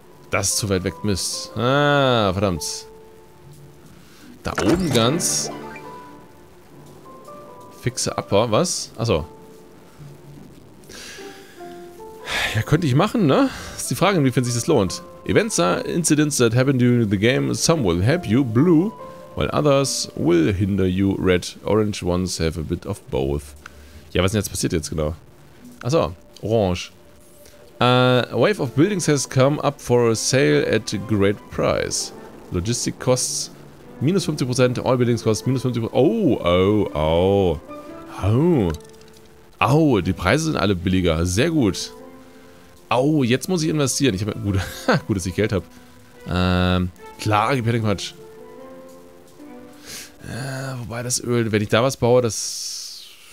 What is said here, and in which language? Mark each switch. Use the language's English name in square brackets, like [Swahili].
[German] Das ist zu weit weg, Mist. Ah, verdammt. Da oben ganz. Fixe Upper, was? Achso. Ja, könnte ich machen, ne? Ist die Frage, inwiefern sich das lohnt. [English] Events are incidents that happen during the game. Some will help you, blue, while others will hinder you, red. Orange ones have a bit of both. [German] Ja, was denn jetzt passiert jetzt genau? Achso, orange. [English] A wave of buildings has come up for a sale at a great price. Logistic costs minus 50%, all buildings cost minus 50%. Oh, oh, oh. Oh. [German] Au, oh, die Preise sind alle billiger. Sehr gut. Au, oh, jetzt muss ich investieren. Ich habe gut, gut, dass ich Geld habe. Klar, gib mir den Quatsch. Wobei das Öl, wenn ich da was baue, das.